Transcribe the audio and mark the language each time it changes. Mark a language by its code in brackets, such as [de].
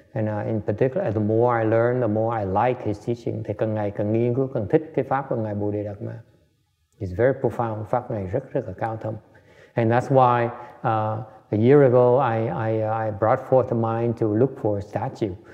[en] And in particular, the more I learn, the more I like his teaching. [vi] Thì càng ngày càng nghiên cứu, càng thích cái pháp của ngài Bồ Đề Đạt Ma. [en] It's very profound. [vi] Pháp này rất rất là cao thâm. [en] And that's why a year ago I brought forth a mind to look for a statue.